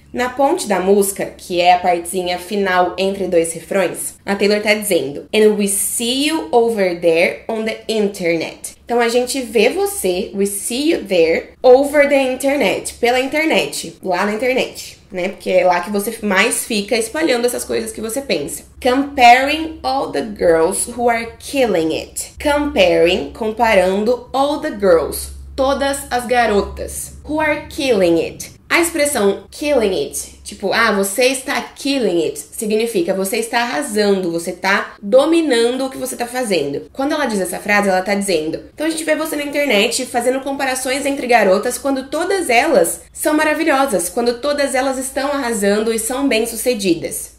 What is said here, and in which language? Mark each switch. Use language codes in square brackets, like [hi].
[pt] Na ponte da música, que é a partezinha final entre dois refrões, a Taylor tá dizendo: [en] And we see you over there on the internet. [pt] Então a gente vê você, [en] we see you there, over the internet, [pt] pela internet, lá na internet, né? Porque é lá que você mais fica espalhando essas coisas que você pensa. [en] Comparing all the girls who are killing it. Comparing, [pt] comparando [en] all the girls, [pt] todas as garotas, [en] who are killing it. [pt] A expressão killing it, tipo, ah, você está killing it, significa você está arrasando, você está dominando o que você está fazendo. Quando ela diz essa frase, ela está dizendo: então a gente vê você na internet fazendo comparações entre garotas quando todas elas são maravilhosas, quando todas elas estão arrasando e são bem-sucedidas.